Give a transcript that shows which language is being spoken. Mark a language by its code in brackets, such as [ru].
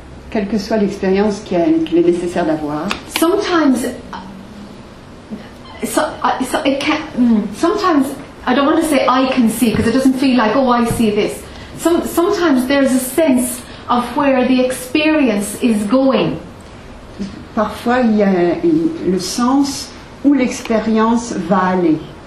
[fr] quelle que soit l'expérience qu'il est nécessaire d'avoir. [en] Sometimes, sometimes I don't want to say I can see because it doesn't feel like oh I see this. Sometimes there is a sense of where the experience is going. [fr] Parfois il y a le sens où l'expérience va aller.